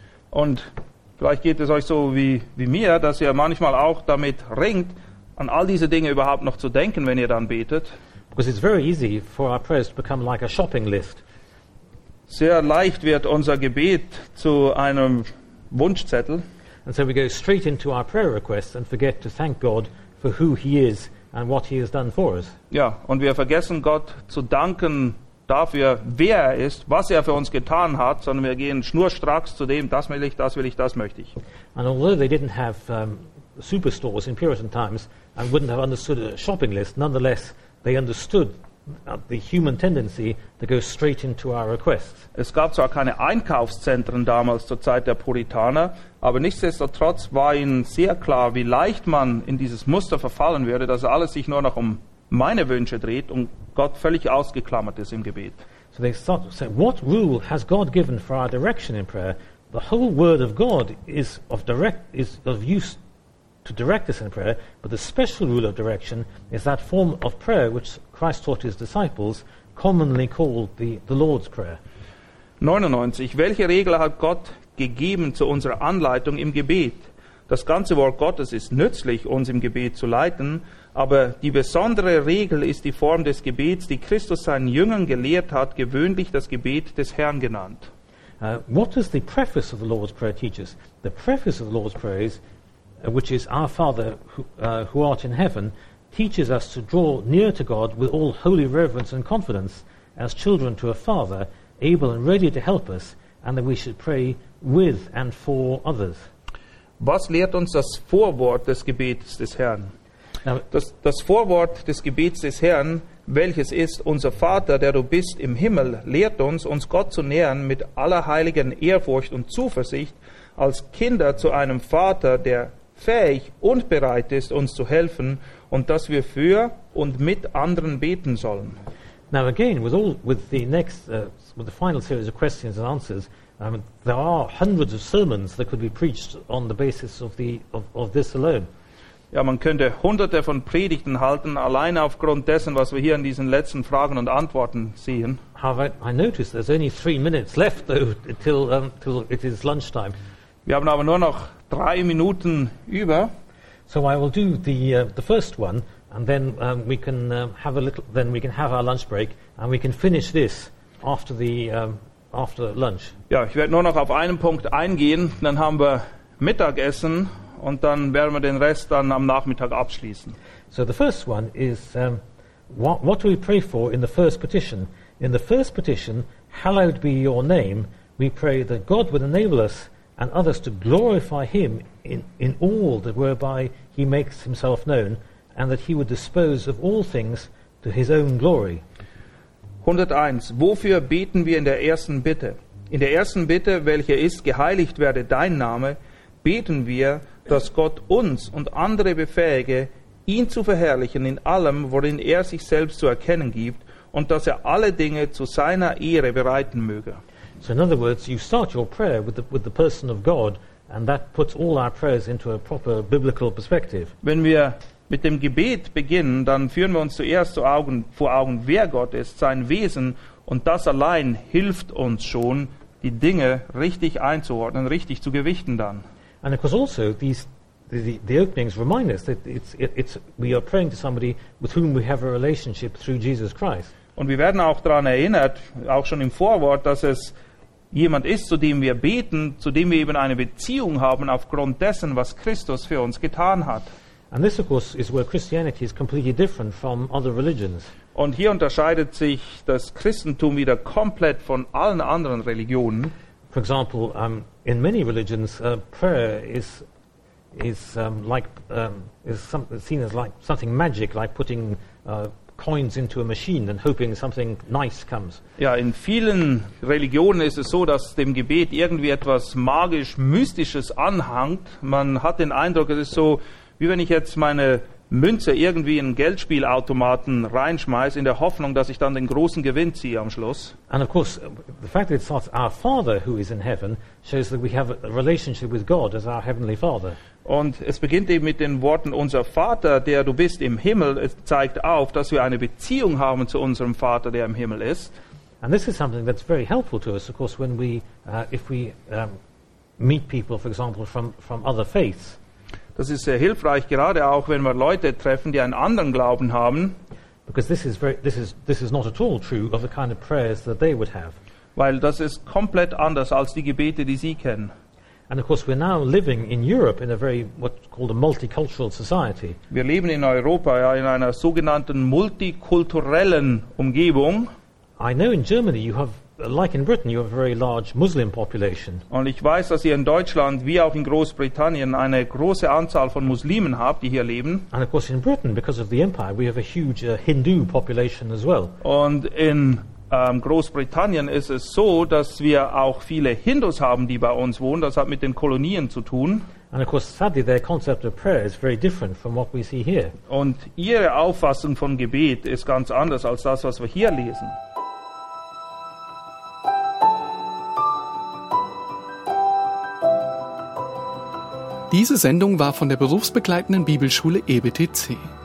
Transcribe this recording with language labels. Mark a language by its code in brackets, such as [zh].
[de] Und vielleicht geht es euch so wie mir, dass ihr manchmal auch damit ringt, an all diese Dinge überhaupt noch zu denken, wenn ihr dann betet. [en] Because it's very easy for our prayers to become like a shopping list. [de] Sehr leicht wird unser Gebet zu einem Wunschzettel. [en] And so we go straight into our prayer requests and forget to thank God for who He is and what he has done for us. [de] Ja, und wir vergessen Gott zu danken dafür, wer er ist, was er für uns getan hat, sondern wir gehen schnurstracks zu dem, das will ich, das will ich, das möchte ich. [en] And although they didn't have superstores in Puritan times and wouldn't have understood a shopping list, nonetheless they understood the human tendency to go straight into our requests. [de] Es gab zwar keine Einkaufszentren damals zur Zeit der Puritaner, aber nichtsdestotrotz war ihnen sehr klar, wie leicht man in dieses Muster verfallen würde, dass alles sich nur noch um meine Wünsche dreht und Gott völlig ausgeklammert ist im Gebet. [en] So they thought, so what rule has God given for our direction in prayer? The whole word of God is of use to direct us in prayer, but the special rule of direction is that form of prayer which Christ taught his disciples, commonly called the Lord's Prayer. 99. [de] Welche Regel hat Gott gegeben zu unserer Anleitung im Gebet? Das ganze Wort Gottes ist nützlich, uns im Gebet zu leiten, aber die besondere Regel ist die Form des Gebets, die Christus seinen Jüngern gelehrt hat, gewöhnlich das Gebet des Herrn genannt. [en] What does the preface of the Lord's Prayer teach us? The preface of the Lord's Prayer is, which is our Father who art in heaven, teaches us to draw near to God with all holy reverence and confidence as children to a Father, able and ready to help us, and that we should pray with and for others. [de] Was lehrt uns das Vorwort des Gebets des Herrn? Now, das Vorwort des Gebets des Herrn, welches ist, unser Vater, der du bist im Himmel, lehrt uns, uns Gott zu nähern mit aller heiligen Ehrfurcht und Zuversicht, als Kinder zu einem Vater, der fähig und bereit ist, uns zu helfen, und dass wir für und mit anderen beten sollen. [en] Now again, with the final series of questions and answers, there are hundreds of sermons that could be preached on the basis of this alone. [de] Ja, man könnte hunderte von Predigten halten, allein aufgrund dessen, was wir hier in diesen letzten Fragen und Antworten sehen. [en] However, I notice there's only 3 minutes left, though, till it is lunchtime. [de] Wir haben aber nur noch 3 Minuten über. [en] So I will do the first one, and then we can have our lunch break, and we can finish this after after lunch. [de] Ja, ich werde nur noch auf einen Punkt eingehen, dann haben wir Mittagessen, und dann werden wir den Rest dann am Nachmittag abschließen. [en] So the first one is, what do we pray for in the first petition? In the first petition, hallowed be your name, we pray that God would enable us and others to glorify him in all that whereby he makes himself known, and that he would dispose of all things to his own glory. 101. [de] Wofür beten wir in der ersten Bitte? In der ersten Bitte, welche ist, geheiligt werde dein Name, beten wir, dass Gott uns und andere befähige, ihn zu verherrlichen in allem, worin er sich selbst zu erkennen gibt, und dass er alle Dinge zu seiner Ehre bereiten möge. [en] So in other words, you start your prayer with the person of God, and that puts all our prayers into a proper biblical perspective. [de] Wenn wir mit dem Gebet beginnen, dann führen wir uns zuerst vor Augen, wer Gott ist, sein Wesen, und das allein hilft uns schon, die Dinge richtig einzuordnen, richtig zu gewichten dann. [en] And of course also the openings remind us that it's we are praying to somebody with whom we have a relationship through Jesus Christ. [de] Und wir werden auch daran erinnert, auch schon im Vorwort, dass es jemand ist, zu dem wir beten, zu dem wir eben eine Beziehung haben, aufgrund dessen, was Christus für uns getan hat. [en] And this, of course, is where Christianity is completely different from other religions. [de] Und hier unterscheidet sich das Christentum wieder komplett von allen anderen Religionen. [en] For example, in many religions, prayer is seen as something magic, like putting coins into a machine and hoping something nice comes. [de] Ja, in vielen Religionen ist es so, dass dem Gebet irgendwie etwas magisch mystisches anhängt. Man hat den Eindruck, es ist so, wie wenn ich jetzt meine Münze irgendwie in Geldspielautomaten reinschmeiße, in der Hoffnung, dass ich dann den großen Gewinn ziehe am Schluss. [en] And of course, the fact that it starts our Father who is in heaven shows that we have a relationship with God as our heavenly Father. [de] Und es beginnt eben mit den Worten, unser Vater, der du bist im Himmel. Es zeigt auf, dass wir eine Beziehung haben zu unserem Vater, der im Himmel ist. [en] And this is something that's very helpful to us, of course, when we, if we meet people, for example, from other faiths. [de] Das ist sehr hilfreich, gerade auch, wenn wir Leute treffen, die einen anderen Glauben haben. [en] Because this is not at all true of the kind of prayers that they would have. [de] Weil das ist komplett anders als die Gebete, die sie kennen. [en] And of course, we're now living in Europe in a very what's called a multicultural society. [de] Wir leben in Europa ja in einer sogenannten multikulturellen Umgebung. [en] I know in Germany you have, like in Britain, you have a very large Muslim population. [de] Und ich weiß, dass ihr in Deutschland wie auch in Großbritannien eine große Anzahl von Muslimen habt, die hier leben. [en] And of course, in Britain, because of the empire, we have a huge Hindu population as well. [de] Und in Großbritannien ist es so, dass wir auch viele Hindus haben, die bei uns wohnen. Das hat mit den Kolonien zu tun. [en] And of course, sadly, their concept of prayer is very different from what we see here. [de] Und ihre Auffassung von Gebet ist ganz anders als das, was wir hier lesen. Diese Sendung war von der berufsbegleitenden Bibelschule EBTC.